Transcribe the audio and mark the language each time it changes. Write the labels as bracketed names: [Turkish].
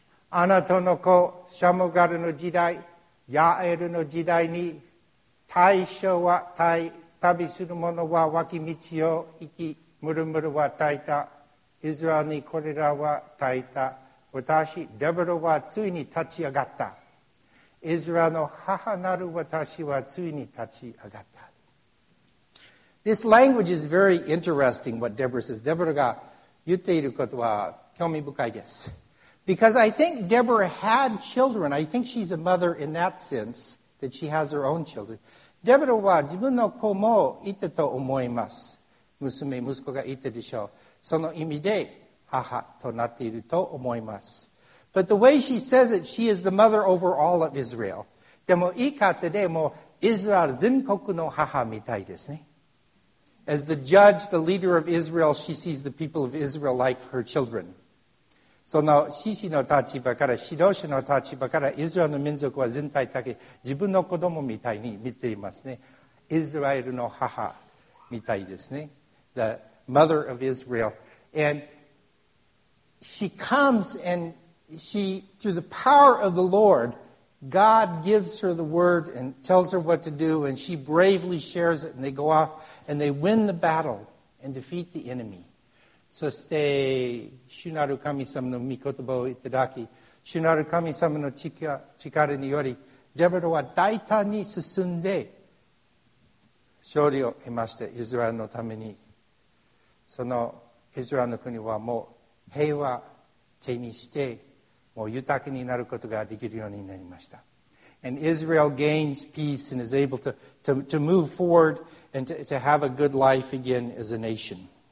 [Japanese] アナトの子、シャムガルの時代、ヤエルの時代に、大将は大、旅する者は脇道を行き、ムルムルは耐えた。イスラエルにこれらは耐えた。私、デボラはついに立ち上がった。イスラエルの母なる私はついに立ち上がった。 [English] This language is very interesting, what Deborah says. [Japanese] デボラが言っていることは興味深いです。 [English] Because I think Deborah had children. I think she's a mother in that sense, that she has her own children. [Japanese] デボラは自分の子もいたと思います。娘、息子がいてでしょう。その意味で母となっていると思います。 [English] But the way she says it, she is the mother over all of Israel. [Japanese] でも言い方でもイスラエル全国の母みたいですね。 [English] As the judge, the leader of Israel, she sees the people of Israel like her children. [Japanese] その獅子の立場から、指導者の立場から、イスラエルの民族は全体だけ自分の子供みたいに見ていますね。イスラエルの母みたいですね。 [English] The mother of Israel. And she comes and she, through the power of the Lord, God gives her the word and tells her what to do, and she bravely shares it, and they go off and they win the battle and defeat the enemy. [Japanese] そして、主なる神様の御言葉を言っていただき、主なる神様の力により、デボラは大胆に進んで、勝利を得ました、イスラエルのために。そのイスラエルの国はもう平和手にしてもう豊かになることができるようになりました。 [English] And Israel gains peace and is able to move forward and to have a good life again as a nation.